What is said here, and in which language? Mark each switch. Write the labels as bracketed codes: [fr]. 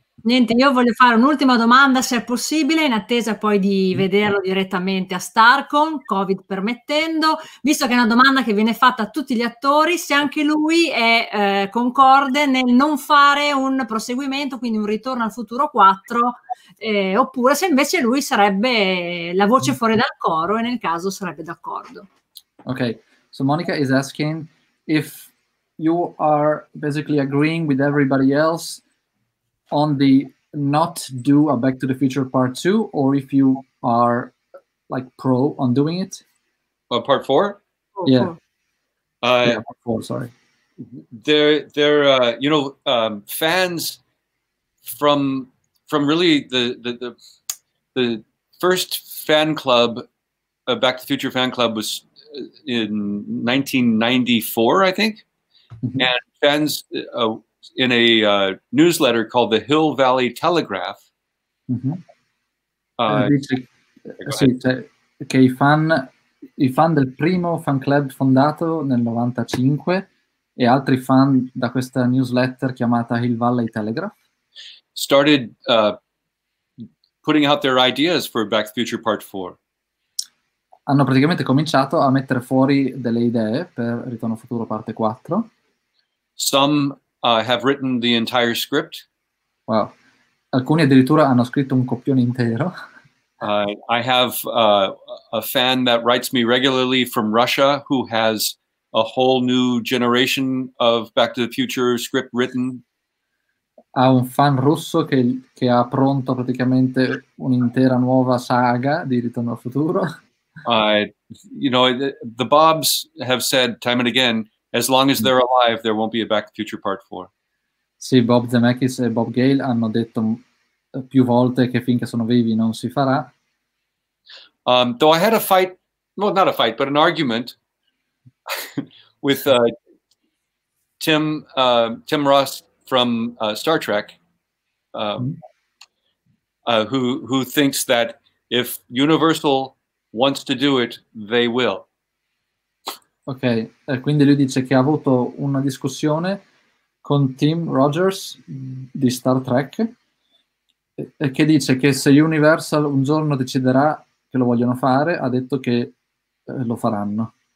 [it] Niente, io voglio fare un'ultima domanda, se è possibile, in attesa poi di vederlo direttamente a StarCon, Covid permettendo, visto che è una domanda che viene fatta a tutti gli attori, se anche lui è concorde nel non fare un proseguimento, quindi un ritorno al futuro 4, oppure se invece lui sarebbe la voce fuori dal coro e nel caso sarebbe d'accordo. [en] Ok, so Monica is asking if you are basically agreeing with everybody else on the not do a Back to the Future part 2, or if you are like pro on doing it. Part 4? Yeah. Part 4, sorry. They're you know, fans from really the first fan club, Back to the Future fan club, was in 1994, I think. Mm-hmm. And fans in a newsletter called the Hill Valley Telegraph. Mm-hmm. [it] I fan del primo fan club fondato nel 95 e altri fan da questa newsletter chiamata Hill Valley Telegraph [en] started putting out their ideas for Back to the Future Part 4. [it] Hanno praticamente cominciato a mettere fuori delle idee per Ritorno Futuro Parte 4. [en] Some have written the entire script. [it] Wow. Alcuni addirittura hanno scritto un copione intero. [en] I have a fan that writes me regularly from Russia who has a whole new generation of Back to the Future script written. [it] Ha un fan russo che ha pronto praticamente un'intera nuova saga di Ritorno al Futuro. [en] You know, the Bobs have said time and again, as long as they're alive, there won't be a Back to the Future Part 4. [it] Sì, Bob Zemeckis e Bob Gale hanno detto più volte che finché sono vivi non si farà. [en] Though I had a fight, well, not a fight, but an argument with Tim Ross from Star Trek, who thinks that if Universal wants to do it, they will. [it] Ok, quindi lui dice che ha avuto una discussione con Tim Rogers di Star Trek, e che dice che se Universal un giorno deciderà che lo vogliono fare, ha detto che lo faranno.